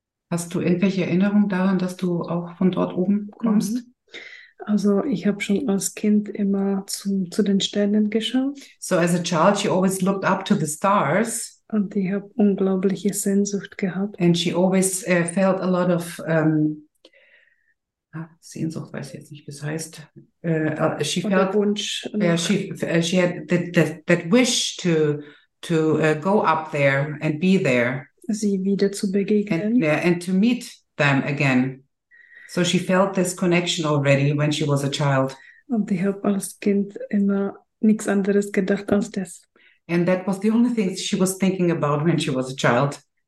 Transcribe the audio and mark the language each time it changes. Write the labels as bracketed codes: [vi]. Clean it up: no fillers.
[de] Hast du irgendwelche Erinnerungen daran, dass du auch von dort oben kommst? Mm-hmm. Also, ich habe schon als Kind immer zu den Sternen geschaut. [en] So as a child, she always looked up to the stars. [de] Und ich habe unglaubliche Sehnsucht gehabt. [en] And she always felt a lot of [de] Sehnsucht, weiß ich jetzt nicht, wie es heißt. [en] She [de] Oder [en] felt [de] Wunsch. [en] She had that wish to go up there and be there. [de] Sie wieder zu begegnen. [en] And to meet them again. So she felt this connection already when she was a child. [de] Und ich habe als Kind immer nichts anderes gedacht als das. [en] And that was the only thing she was thinking about when she was a child.